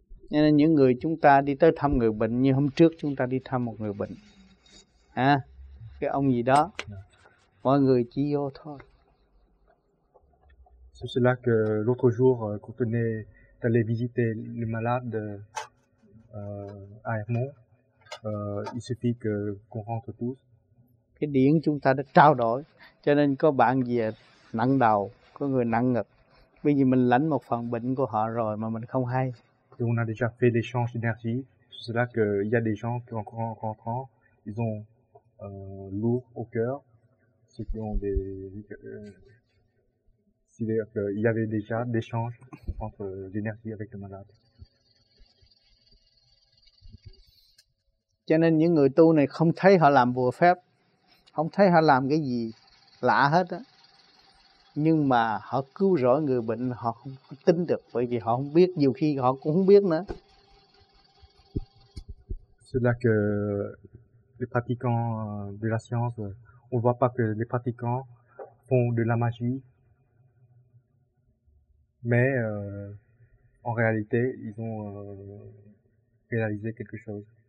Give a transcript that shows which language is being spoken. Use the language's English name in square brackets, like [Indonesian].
[Vietnamese] Cho nên những người chúng ta đi tới thăm người bệnh, như hôm trước chúng ta đi thăm một người bệnh. À, cái ông gì đó, mọi người chỉ vô thôi. [French] C'est cela que l'autre jour, quand on est allé visiter le malade à Hermont, il suffit qu'on rentre tous. [Vietnamese] Cái điển chúng ta đã trao đổi, cho nên có bạn gì nặng đầu, có người nặng ngực. Bởi vì mình lãnh một phần bệnh của họ rồi mà mình không hay. [French] Et on a déjà fait l'échange d'énergie, c'est cela qu'il y a des gens qui encore en rentrant, ils ont lourd au cœur, ceux qui ont des... C'est-à-dire qu'il y avait déjà des échanges entre l'énergie avec le malade. [Vietnamese] Cho nên những người tu này không thấy họ làm bùa phép, không thấy họ làm cái gì lạ hết á. Nhưng mà họ cứu rỗi người bệnh họ không tin được, bởi vì họ không biết, nhiều khi họ cũng không biết nữa. [French] C'est là que les pratiquants de la science, on voit pas que les pratiquants font de la magie. Mais en réalité, ils ont réalisé quelque chose.